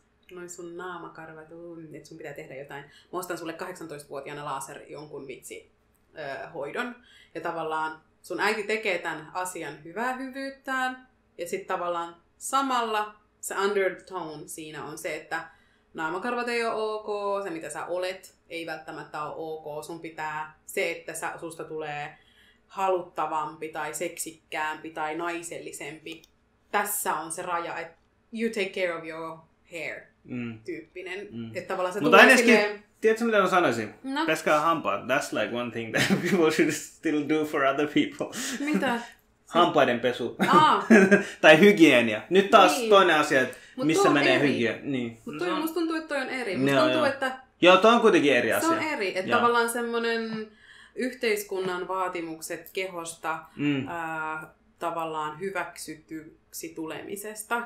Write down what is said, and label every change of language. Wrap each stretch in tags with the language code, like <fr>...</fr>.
<fi>noin sun naamakarvat, että sun pitää tehdä jotain, mä ostan sulle 18-vuotiaana laser jonkun vitsi hoidon, ja tavallaan sun äiti tekee tämän asian hyvää hyvyyttään, ja sitten tavallaan samalla se undertone siinä on se, että naamakarvat ei ole ok, se mitä sä olet ei välttämättä ole ok, sun pitää se, että susta tulee haluttavampi tai seksikkäämpi tai naisellisempi. Tässä on se raja, että</fi> <en>you take care of your hair</en> <fi>tyyppinen. Tavallaan se mutta tulee ainakin... silleen... Tiedätkö, mitä mä sanoisin? No. Peskää hampaat.</fi> <en>That's like one thing that people should still do for other people.</en> <fi>Mitä? Hampaiden pesu. tai hygienia. Nyt taas niin. Toinen asia, että missä menee hygienia. Niin. Mutta no. Musta tuntuu, että toi on eri. Musta tuntuu, että... Joo, toi on kuitenkin eri se asia. Se on eri. Että tavallaan semmoinen yhteiskunnan vaatimukset kehosta tavallaan hyväksytyksi tulemisesta.</fi>